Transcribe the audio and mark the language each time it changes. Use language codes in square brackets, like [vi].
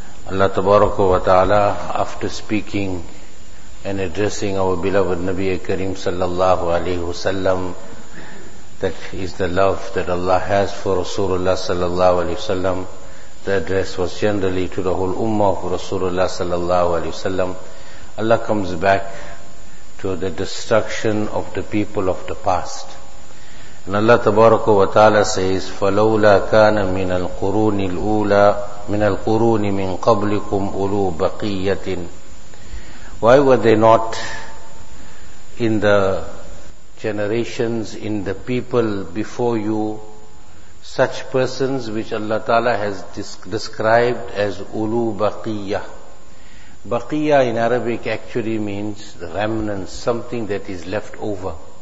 [en] Allah Tabaraka wa Ta'ala, after speaking and addressing our beloved Nabi Kareem Sallallahu Alaihi Wasallam, that is the love that Allah has for Rasulullah Sallallahu Alaihi Wasallam. The address was generally to the whole Ummah of Rasulullah Sallallahu Alaihi Wasallam. Allah comes back to the destruction of the people of the past. And Allah Tabaraka wa Ta'ala says, [ar] فَلَوْلَا كَانَ مِنَ الْقُرُونِ الْأُولَى مِنَ الْقُرُونِ مِنْ قَبْلِكُمْ أُولُو بَقِيَّةٍ. [en] Why were they not in the generations, in the people before you, such persons which Allah Ta'ala has described as أُولُو بَقِيَّةٍ. بَقِيَّةٍ in Arabic actually means remnants, something that is left over.